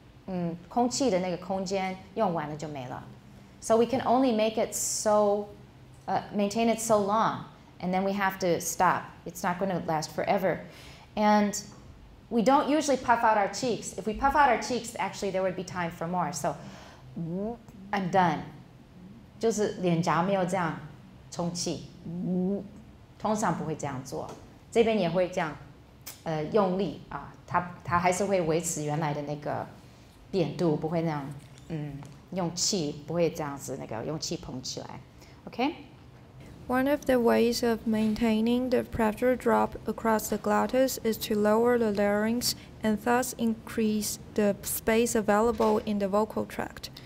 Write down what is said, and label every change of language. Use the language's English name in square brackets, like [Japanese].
[Chinese] 那储存那个空气的那个空间用完了就没了. [English] So we can only make it so, maintain it so long, and then we have to stop. It's not going to last forever. And we don't usually puff out our cheeks. If we puff out our cheeks, actually there would be time for more. So I'm done. [Chinese] 就是脸颊没有这样充气，通常不会这样做。这边也会这样，用力啊，它还是会维持原来的那个扁度，不会那样。用气不会这样子那个，用气捧起来 ，okay. [English] One of the ways of maintaining the pressure drop across the glottis is to lower the larynx and thus increase the space available in the vocal tract.